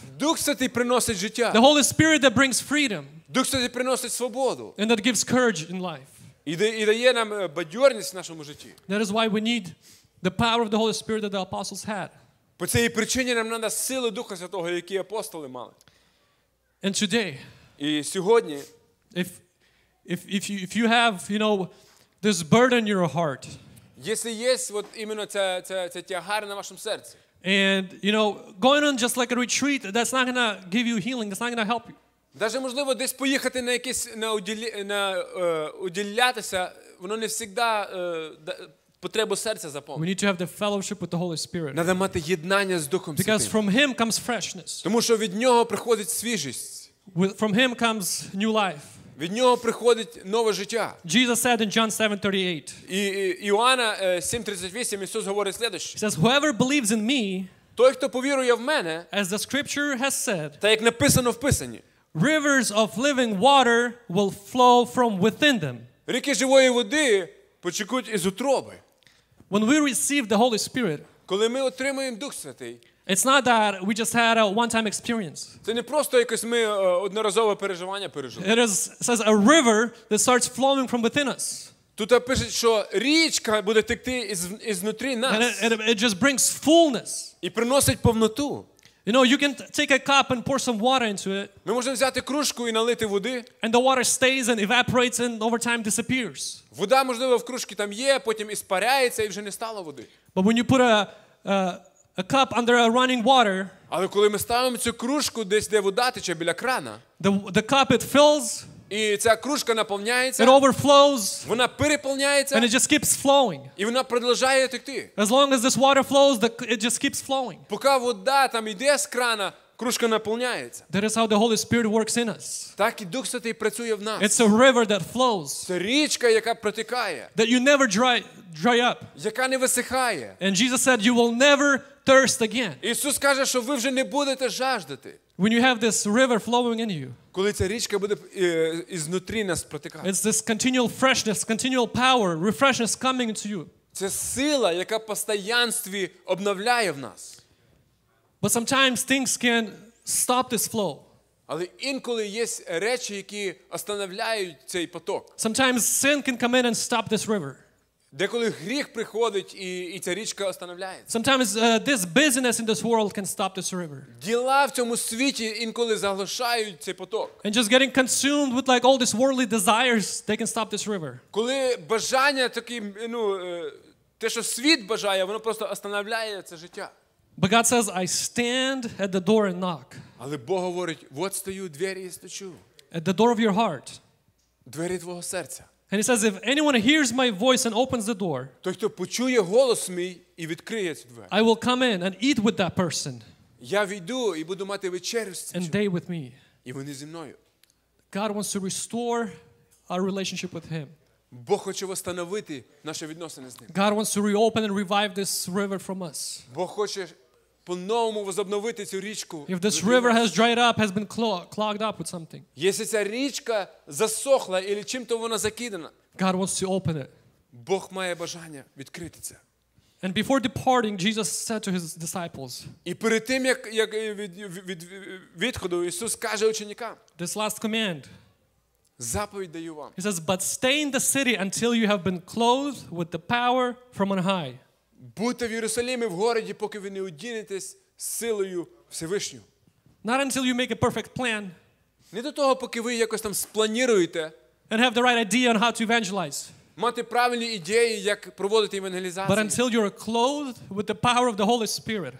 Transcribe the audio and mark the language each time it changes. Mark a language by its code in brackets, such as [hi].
[uk] Дух Святий приносить життя. [en] The Holy Spirit that brings freedom. [uk] Дух Святий приносить свободу. [en] And that gives courage in life. [uk] І дає нам бадьорність в нашому житті. [en] That is why we need the power of the Holy Spirit that the apostles had. [uk] По цій причині нам треба сили Духа Святого, які апостоли мали. [en] And today. [uk] І сьогодні. [en] If you have, you know, this burden in your heart. [uk] Якщо є от іменно це тягар на вашому серці. [en] And you know, going on just like a retreat, that's not going to give you healing, that's not going to help you. [uk] Даже можливо десь поїхати на якесь уділятися, воно не завжди потребу серця заповнить. [en] We need to have the fellowship with the Holy Spirit. [uk] Треба мати єднання з Духом Святим. [en] Because from him comes freshness. [uk] Тому що від нього приходить свіжість. [en] From him comes new life. [uk] Від нього приходить нове життя. [en] Jesus said in John 7:38. [uk] І Іоанна 7:38 Ісус говорить следующее. [en] He says, whoever believes in me, [uk] той, хто повірує в мене, [en] as the scripture has said, [uk] та як написано в Писанні, [en] rivers of living water will flow from within them. [uk] Ріки живої води потікуть із утроби. [en] When we receive the Holy Spirit, [uk] коли ми отримуємо Дух Святий, [en] it's not that we just had a one-time experience. [uk] Це не просто якесь ми одноразове переживання пережили. [en] It is, says a river that starts flowing from within us. [uk] Тут пише, що річка буде текти ізнутрі нас. [en] And it just brings fullness. [uk] І приносить повноту. [en] You know, you can take a cup and pour some water into it. [uk] Ми можемо взяти кружку і налити води. [en] And the water stays and evaporates and over time disappears. [uk] Вода, можливо, в кружці там є, потім іспаряється і вже не стало води. [en] But when you put a cup under a running water, [uk] але коли ми ставимо цю кружку десь, де вода тече біля крана, [en] the cup it fills, [uk] і ця кружка наповняється, [en] it overflows, [uk] вона переповняється, [en] and it just keeps flowing, [uk] і вона продовжує текти. [en] As long as this water flows, it just keeps flowing. [uk] Поки вода там іде з крана, кружка наповняється. [en] That is how the Holy Spirit works in us. [uk] Так і Дух Святий працює в нас. [en] It's a river that flows. [uk] Це річка, яка протікає. [en] That you never dry up. [uk] Яка не висихає. [en] And Jesus said you will never thirst again. [uk] Ісус каже, що ви вже не будете жаждати. [en] When you have this river flowing in you. [uk] Коли ця річка буде ізнутрі нас протікати. [en] It's this continual freshness, continual power, refreshness coming into you. [uk] Це сила, яка в постоянстві обновляє в нас. [en] But sometimes things can stop this flow. [uk] Але інколи є речі, які останавливають цей поток. [en] Sometimes sin can come in and stop this river. [uk] Деколи гріх приходить і ця річка останавливається. [en] Sometimes this busyness in this world can stop this river. [uk] Діла в цьому світі інколи заглушають цей поток. [en] And just getting consumed with like all these worldly desires, they can stop this river. [uk] Коли бажання такі, те, що світ бажає, воно просто останавливає це життя. [en] But God says, I stand at the door and knock. [uk] Але Бог говорить, вот стою у двері і стучу. [en] At the door of your heart. [uk] Двері твого серця. [en] And he says, if anyone hears my voice and opens the door, [uk] той, хто почує голос мій і відкриє цю двері, [en] I will come in and eat with that person. [uk] Я війду і буду мати вечерю з цим. [en] And they with me. [uk] І вони зі мною. [en] God wants to restore our relationship with him. [uk] Бог хоче встановити наші відносини з ним. [en] God wants to reopen and revive this river from us. [uk] Бог хоче по-новому возобновити цю річку. [en] If this river has dried up, has been clogged up with something. [uk] Якщо ця річка засохла або чим-то вона закидана. [en] God wants to open it. [uk] Бог має бажання відкрити це. [en] And before departing, Jesus said to his disciples. [uk] І перед тим як від відходу Ісус каже ученикам. [en] This last command. [uk] Заповідь даю вам. [en] He says, but stay in the city until you have been clothed with the power from on high. [uk] Будьте в Єрусалимі, в городі, поки ви не одінетесь силою Всевишню. [en] Not until you make a perfect plan. [uk] Не до того, поки ви якось там спланіруєте. [en] And have the right idea on how to evangelize. [uk] Мати правильні ідеї, як проводити евангелізацію. [en] But until you are clothed with the power of the Holy Spirit.